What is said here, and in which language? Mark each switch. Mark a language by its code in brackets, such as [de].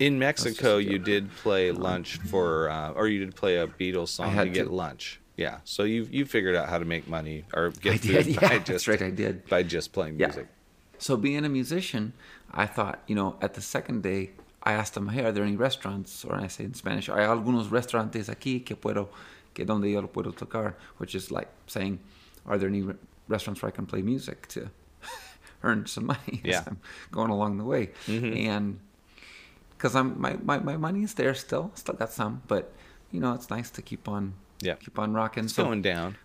[en] In Mexico, you did play lunch for, or you did play a Beatles song to get lunch. Yeah, so you figured out how to make money or get food. By just playing music. So being a musician, I thought, you know, at the second day, I asked them, hey, are there any restaurants? Or I say in Spanish, [es] hay algunos restaurantes aquí que donde yo lo puedo tocar? [en] Which is like saying, are there any restaurants where I can play music to earn some money as I'm going along the way? And because my money is there still got some, but, you know, it's nice to keep on. Yeah, keep on rocking. It's so going down.